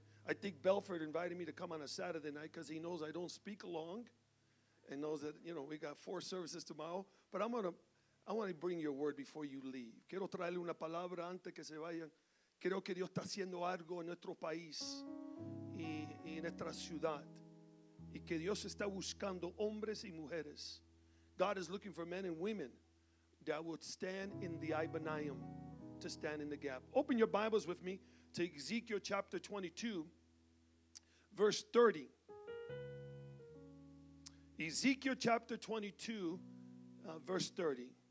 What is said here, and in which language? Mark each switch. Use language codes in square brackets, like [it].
[en] I think Belford invited me to come on a Saturday night because he knows I don't speak long and knows that, you know, we got four services tomorrow. But I want to bring you a word before you leave. [es] Quiero traerle una palabra antes que se vayan. Creo que Dios está haciendo algo en nuestro país y en nuestra ciudad. Y que Dios está buscando hombres y mujeres. [en] God is looking for men and women that would stand in the Ibanium, to stand in the gap. Open your Bibles with me to Ezekiel chapter 22, verse 30. Ezekiel chapter 22, verse 30.